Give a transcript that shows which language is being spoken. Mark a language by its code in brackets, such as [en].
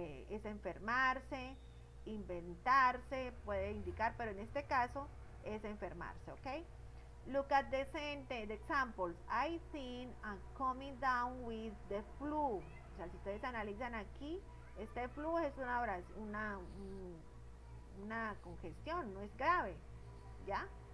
[es] Es enfermarse, inventarse, puede indicar, pero en este caso es enfermarse, ¿ok? [en] Look at the sentence, the examples. I think I'm coming down with the flu. [es] O sea, si ustedes analizan aquí, este flu es una congestión, no es grave, ¿ya?